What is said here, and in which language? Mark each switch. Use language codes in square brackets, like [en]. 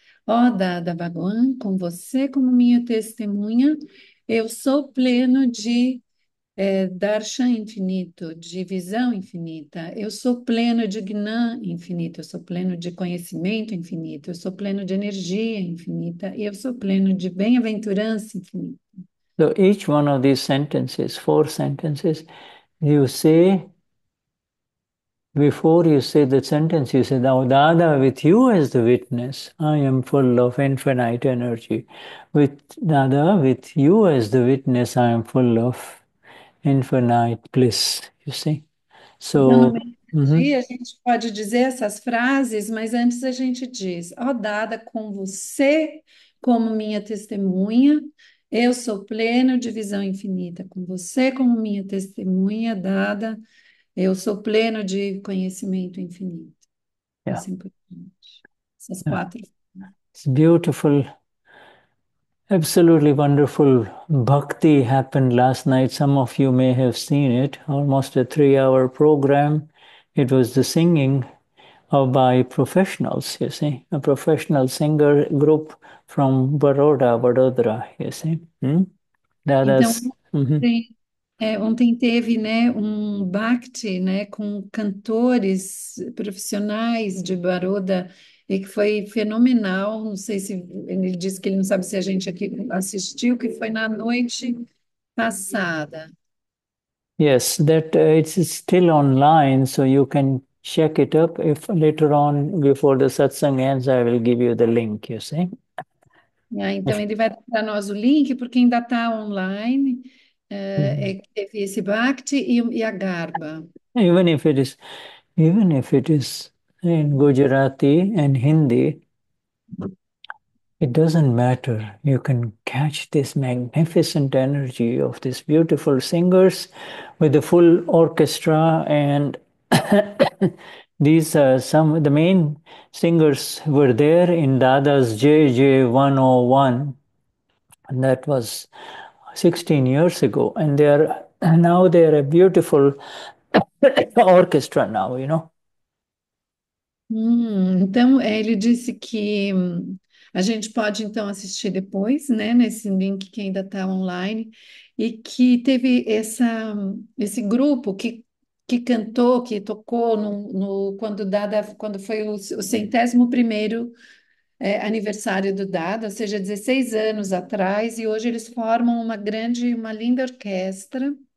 [pt] Ó, Dada Bhagwan, com você como minha testemunha, eu sou pleno de darshan infinito, de visão infinita, eu sou pleno de gnan infinito, eu sou pleno de conhecimento infinito, eu sou pleno de energia infinita e eu sou pleno de bem-aventurança infinita. [en] So each one of these sentences, four sentences, you say, before you say the sentence, you say, "Now, Dada, with you as the witness, I am full of infinite energy. With Dada, with you as the witness, I am full of infinite bliss." You see? [pt] Então, no [en] So, [pt] meio do dia, a gente pode dizer essas frases, mas antes a gente diz: Ó, Dada, com você como minha testemunha, eu sou pleno de visão infinita. Com você como minha testemunha, Dada, eu sou pleno de conhecimento infinito. Assim por diante. Essas quatro. [en] It's beautiful, absolutely wonderful bhakti happened last night. Some of you may have seen it. Almost a 3-hour program. It was the singing of by professionals, you see, a professional singer group from Baroda, Vadodara, you see. [pt] Então, [en] Dada's. [pt] ontem teve, né, um bhakti, né, com cantores profissionais de Baroda e que foi fenomenal. Não sei se ele disse que ele não sabe se a gente aqui assistiu, que foi na noite passada. [en] Yes, that it's still online, so you can check it up. If later on, before the satsang ends, I will give you the link, you see. [pt] Ah, então, ele vai dar para nós o link, porque ainda está online. É, teve esse Bhakti e a Garba. [en] Even if it is in Gujarati and Hindi, it doesn't matter. You can catch this magnificent energy of these beautiful singers with the full orchestra, and these are some of the main singers were there in Dada's JJ 101. And that was 16 years ago, and they are a beautiful orchestra now. [pt] Então, ele disse que a gente pode então assistir depois, né, nesse link que ainda está online, e que teve esse grupo que cantou, que tocou no quando Dada, quando foi o 101º aniversário do Dada, ou seja, 16 anos atrás, e hoje eles formam uma linda orquestra.